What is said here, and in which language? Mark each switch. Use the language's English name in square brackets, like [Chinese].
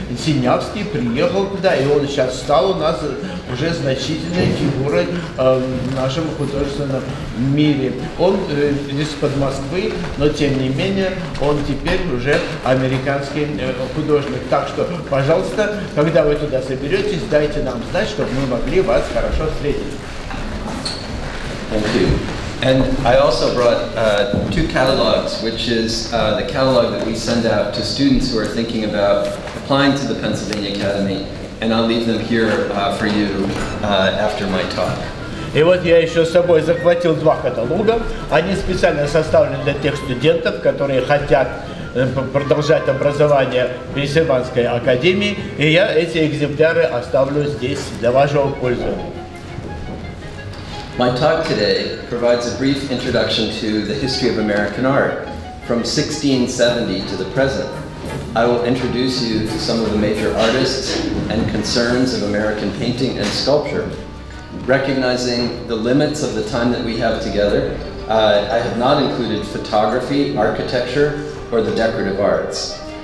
[Russian] Синявский приехал туда, и он сейчас стал у нас уже значительной фигурой в нашем художественном мире. Он из-под Москвы, но тем не менее, он теперь уже американский художник. Так что, пожалуйста, когда вы туда соберетесь, дайте нам знать, чтобы мы могли вас хорошо встретить. [English] And I also brought two catalogs, which is the catalog that we send out to students who are thinking about applying to the Pennsylvania Academy, and I'll leave them here for you after my talk. [Russian] И вот я еще с собой захватил два каталога. Они специально составлены для тех студентов, которые хотят продолжать образование в Пенсильванской Академии, и я эти экземпляры оставлю здесь для вашего пользования. [English] My talk today provides a brief introduction to the history of American art from 1670 to the present. I will introduce you to some of the major artists and concerns of American painting and sculpture. Recognizing the limits of the time that we have together, I have not included photography, architecture, or the decorative arts.